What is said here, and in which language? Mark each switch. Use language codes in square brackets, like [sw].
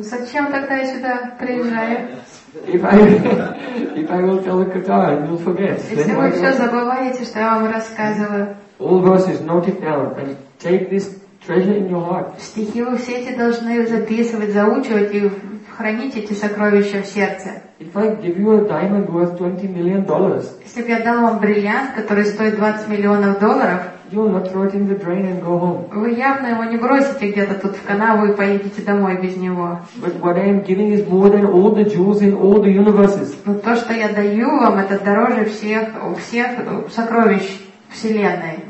[ru] Зачем тогда я сюда приезжаю? [en] If I will tell the katha, you will forget. [ru] Если вы все забываете, что я вам рассказываю. [en] All verses, note it down, and take this treasure in your heart. [ru] Стихи вы все эти должны записывать, заучивать и хранить эти сокровища в сердце. [en] If I give you a diamond worth $20 million. [ru] Если бы я дал вам бриллиант, который стоит 20 миллионов долларов. [en] You will not throw it in the drain and go home. [ru] Вы явно его не бросите где-то тут в канаву и поедете домой без него. [en] But what I am giving is more than all the jewels in all the universes. [ru] Но то, что я даю вам, это дороже всех сокровищ вселенной.